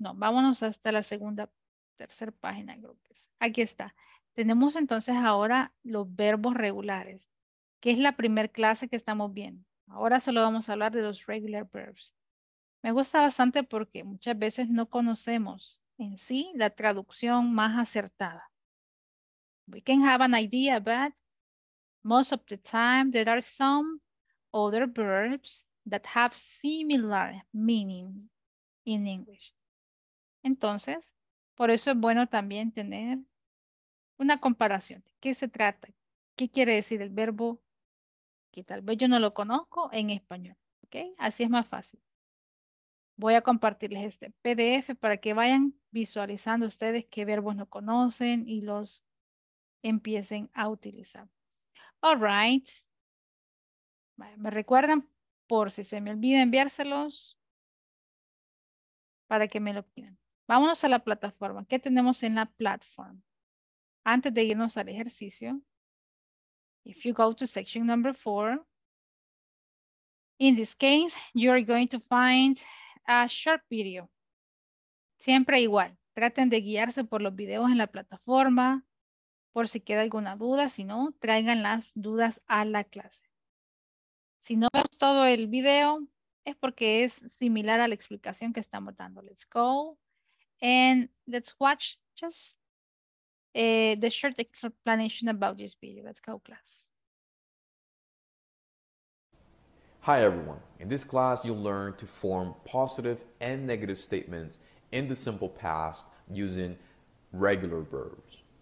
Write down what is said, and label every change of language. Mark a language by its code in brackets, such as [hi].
[es] No, vámonos hasta la segunda, tercera página de grupos. Aquí está. Tenemos entonces ahora los verbos regulares, que es la primer clase que estamos viendo. Ahora solo vamos a hablar de los regular verbs. Me gusta bastante porque muchas veces no conocemos en sí la traducción más acertada. [en] We can have an idea, but most of the time there are some other verbs that have similar meanings in English. [es] Entonces, por eso es bueno también tener una comparación. ¿Qué se trata? ¿Qué quiere decir el verbo que tal vez yo no lo conozco en español? ¿Ok? Así es más fácil. Voy a compartirles este PDF para que vayan visualizando ustedes qué verbos no conocen y los empiecen a utilizar. [en] All right. [es] Vale, me recuerdan por si se me olvida enviárselos para que me lo pidan. Vámonos a la plataforma. ¿Qué tenemos en la plataforma? Antes de irnos al ejercicio, [en] if you go to section number 4, in this case, you're going to find a short video. [es] Siempre igual. Traten de guiarse por los videos en la plataforma por si queda alguna duda. Si no, traigan las dudas a la clase. Si no vemos todo el video, es porque es similar a la explicación que estamos dando. [en] Let's go and let's watch just the short explanation about this video. Let's go, class. Hi, everyone. In this class, you'll learn to form positive and negative statements in the simple past using regular verbs.